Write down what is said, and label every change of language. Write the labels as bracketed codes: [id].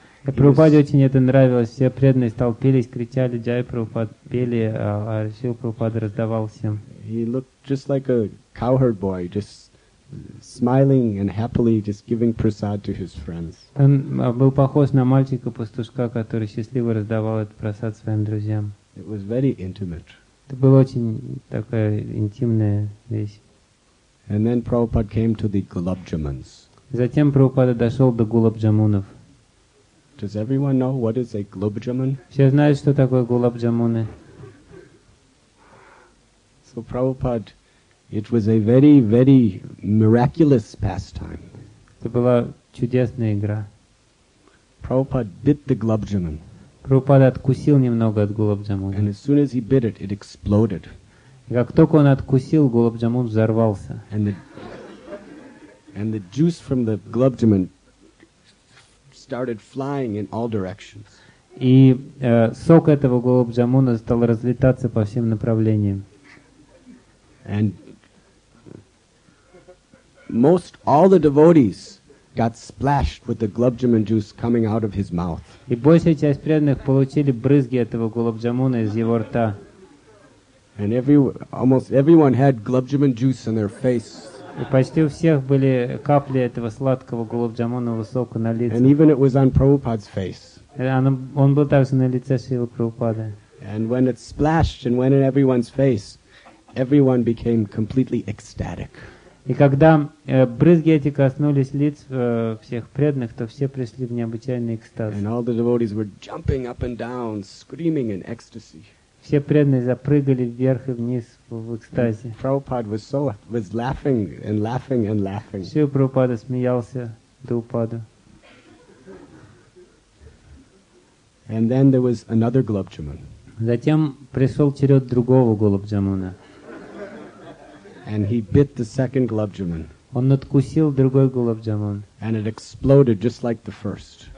[ru] Прабхупаде очень это нравилось. Все преданные столпились, кричали, джай Прабхупад, пели, а Шрила Прабхупада раздавал всем. [en] He looked just like a cowherd boy, just smiling and happily just giving prasad to his friends. [ru] Он был похож на мальчика-пастушка, который счастливо раздавал этот прасад своим друзьям. [en] It was very intimate. [ru] Это была очень такая интимная вещь. [en] And then Prabhupada came to the gulab jamuns. [ru] Затем Прабхупада дошел до гулаб джамунов. [en] Does everyone know what is a gulab jamun? [ru] Все знают, что такое гулаб джамуны. [en] So Prabhupada, it was a very, very miraculous pastime. [ru] Это была чудесная игра. [en] Prabhupada bit the gulab jamun. [ru] Прабхупада откусил немного от гулаб джамуны. [en] And as soon as he bit it, it exploded. [ru] И как только он откусил, гулаб джамун взорвался. [en] And the juice from the gulab jamun started flying in all directions. [ru] И сок этого гулаб джамуна стал разлетаться по всем направлениям. [en] And most all the devotees got splashed with the gulab jamun juice coming out of his mouth. [ru] И большая часть преданных получили брызги этого гулаб джамуна из его рта. [en] And almost everyone had gulab jamun juice on their face. [ru] И почти у всех были капли этого сладкого гулаб джамунового сока на лице. [en] And even it was on Prabhupada's face. [ru] Он был также на лице Шрилы Прабхупады. [en] And when it splashed and went in everyone's face, everyone became completely ecstatic. [ru] И когда брызги эти коснулись лиц всех преданных, то все пришли в необычайный экстаз. [en] And all the devotees were jumping up and down, screaming in ecstasy. [ru] Все преданные запрыгали вверх и вниз в экстазе. [en] Prabhupada was laughing and laughing and laughing. [ru] Шрила Прабхупада смеялся до упаду. [en] And then there was another gulab jamun. [ru] Затем пришел черед другого гулаб джамуна. [en] And he bit the second gulab jamun. [ru] Он откусил другой гулаб джамун. [en] And it exploded just like the first.